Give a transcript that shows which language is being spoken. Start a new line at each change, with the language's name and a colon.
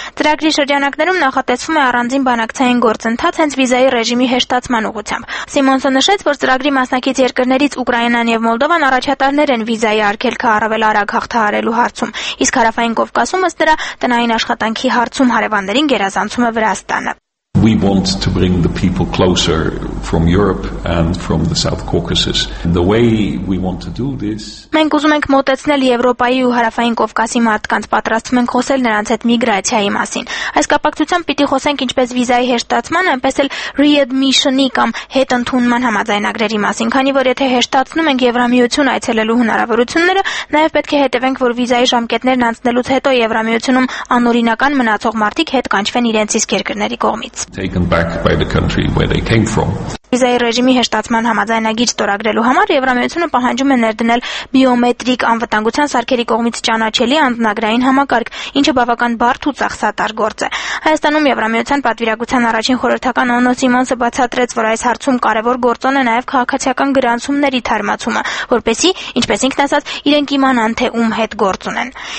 Armenian: Ծրագրի շրջանակներում նախատեսվում է առանձին բանակցային գործընթաց հենց վիզայի ռեժիմի հեշտացման ուղղությամբ։ Սիմոնսը նշեց, որ ծրագրի մասնակից երկրներից Ուկրաինան և Մոլդովան առաջատարներ են վիզայի արգելքը առավել արագ հաղթահարելու հարցում, իսկ Հարավային Կովկասում ըստ նրա տնային աշխատանքի հարցում հարևաններին գերազանցում է Վրաստանը։
English: We want to bring the people closer from Europe and from the South Caucasus. The way we want to do this.
Armenian: Մենք ուզում ենք մոտեցնել Եվրոպայի ու Հարավային Կովկասի մարդկանց, պատրաստվում ենք խոսել նրանց հետ միգրացիայի մասին։ Այս կապակցությամբ պիտի խոսենք ինչպես վիզայի հեշտացման, այնպես էլ readmission-ի կամ հետընդունման համաձայնագրերի մասին, քանի որ եթե հեշտացնում ենք Եվրամիություն այցելելու հնարավորությունները, նաև պետք է հետևենք, որ վիզայի ժամկետներն անցնելուց հետո Եվրամիությունում անօրինական մնացող մարդիկ հետ կանչվեն իրենց իսկ երկրների կողմից։
English: Taken back by the country where they came from.
Armenian: Վիզայի ռեժիմի հեշտացման համաձայնագիր ստորագրելու համար Եվրամիությունը պահանջում է ներդնել բիոմետրիկ անվտանգության սարքերի կողմից ճանաչելի անձնագրային համակարգ, ինչը բավական բարդ ու ծախսատար գործ է։ Հայաստանում Եվրամիության պատվիրակության առաջին խորհրդական Օննո Սիմոնսը բացատրեց, որ այս հարցում կարևոր գործոն է նաև քաղաքացիական գրանցումների թարմացումը, որպեսզի, ինչպես ինքն ասաց, իրենք իմանան, թե ում հետ գործ ունեն։